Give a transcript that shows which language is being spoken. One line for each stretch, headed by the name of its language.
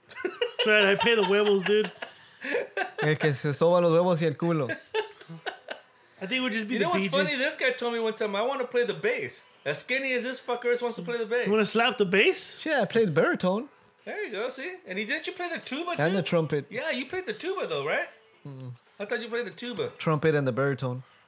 English: That's right. I play the huevos, dude.
Spanish: El que se soba los huevos y el culo.
English: I think it would just be the bass. You know what's funny? This guy told me one time, I want to play the bass. As skinny as this fucker is, wants to play the bass. You want to slap the bass? Yeah, I played the baritone. There you go, see? And didn't you play the tuba, and too? And the trumpet. Yeah, you played the tuba, though, right? Mm-mm. I thought you played the tuba. Trumpet and the baritone.